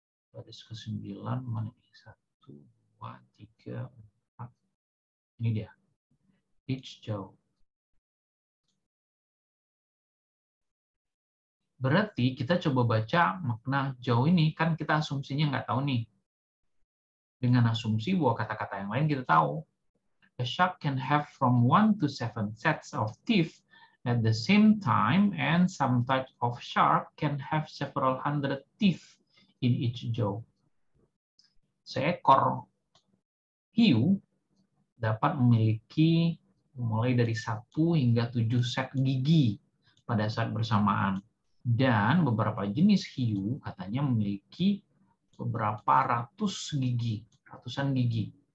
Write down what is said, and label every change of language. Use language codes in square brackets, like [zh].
[id] Baris ke-9, mana ini? 1, 2, 3, 4. Ini dia. [en] Each jaw. [id] Berarti kita coba baca makna jaw ini, kan kita asumsinya nggak tahu nih. Dengan asumsi bahwa kata-kata yang lain kita tahu. [en] A shark can have from 1 to 7 sets of teeth at the same time, and some type of shark can have several hundred teeth in each jaw. [id] Seekor hiu dapat memiliki mulai dari 1 hingga 7 set gigi pada saat bersamaan. Dan beberapa jenis hiu katanya memiliki beberapa ratus gigi, ratusan gigi.